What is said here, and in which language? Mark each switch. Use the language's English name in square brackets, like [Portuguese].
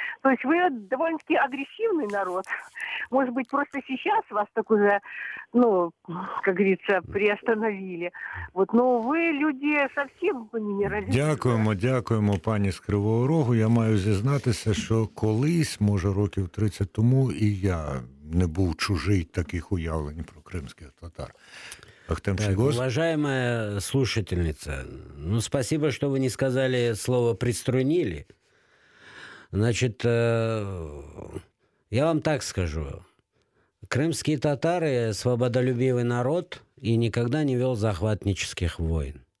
[Russian] То есть вы довольно-таки агрессивный народ. Может быть, просто сейчас вас так уже, ну, как говорится, приостановили. Вот. Но вы люди совсем по ними разницы. [Ukrainian] Дякуємо, пані з Кривого Рогу. Я маю зізнатися, що колись, може років 30 тому, і я не був чужий таких уявлень про кримських татар. [Russian] Так, уважаемая слушательница, ну, спасибо, что вы не сказали слово «приструнили». Значит, я вам так скажу. Крымские татары – свободолюбивый народ и никогда не вел захватнических войн.